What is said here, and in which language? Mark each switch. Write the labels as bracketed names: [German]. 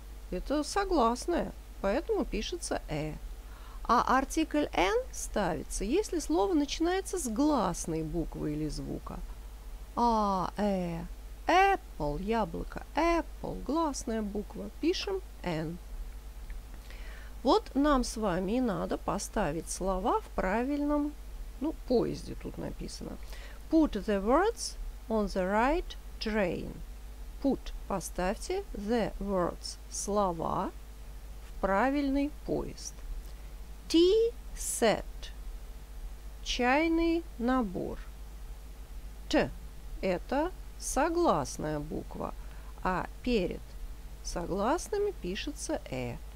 [Russian] Это согласное, поэтому пишется Э. А артикль «н» ставится, если слово начинается с гласной буквы или звука. А, Э, apple, яблоко, apple, гласная буква, пишем «н». Вот нам с вами и надо поставить слова в правильном, ну, поезде тут написано. [English] Put the words on the right train. [Russian] Put, поставьте [English] the words, [Russian] слова, в правильный поезд. Tea set – чайный набор. T – это согласная буква, а перед согласными пишется E.